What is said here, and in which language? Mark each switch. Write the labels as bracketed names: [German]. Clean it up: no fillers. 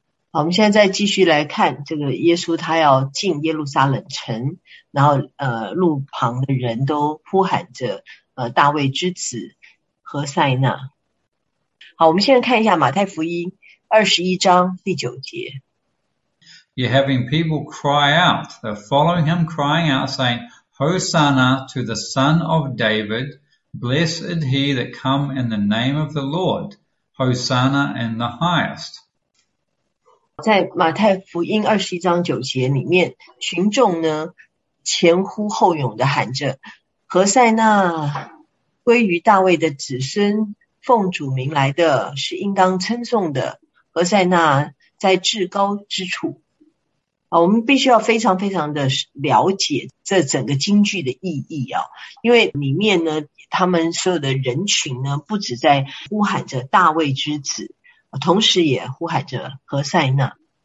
[Chinese] 好，我们现在再继续来看这个耶稣他要进耶路撒冷城，然后路旁的人都呼喊着大卫之子何塞纳。好，我们现在看一下马太福音21章第9节。 [English] You're having people cry out, they're following him crying out saying, Hosanna to the son of David, blessed he that come in the name of the Lord, Hosanna in the highest. [Chinese] 在马太福音21章9节里面，群众呢前呼后拥的喊着，何塞纳，归于大卫的子孙，奉主名来的，是应当称颂的。何塞纳在至高之处。好，我们必须要非常非常的了解这整个经句的意义啊，因为里面呢，他们所有的人群呢，不只在呼喊着大卫之子，同时也呼喊着何塞纳。